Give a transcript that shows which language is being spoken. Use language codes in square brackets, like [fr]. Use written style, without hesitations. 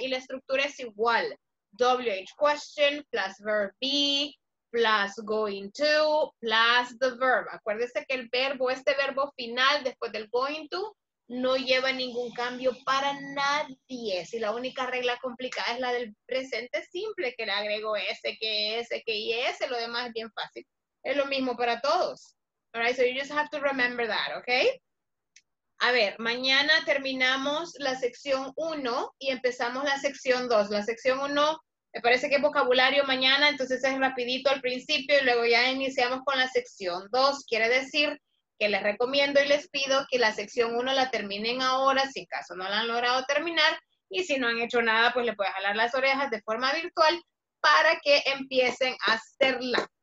[es] Y la estructura es igual. [en] WH question plus verb be plus going to plus the verb. [es] Acuérdese que el verbo, este verbo final después del going to, no lleva ningún cambio para nadie. Si la única regla complicada es la del presente simple, que le agrego S, que S, que I, S, lo demás es bien fácil. Es lo mismo para todos. [en] All right, so you just have to remember that, okay? [es] A ver, mañana terminamos la sección 1 y empezamos la sección 2. La sección 1 me parece que es vocabulario mañana, entonces es rapidito al principio y luego ya iniciamos con la sección 2. Quiere decir que les recomiendo y les pido que la sección 1 la terminen ahora, si en caso no la han logrado terminar, y si no han hecho nada, pues le puedes jalar las orejas de forma virtual para que empiecen a hacerla.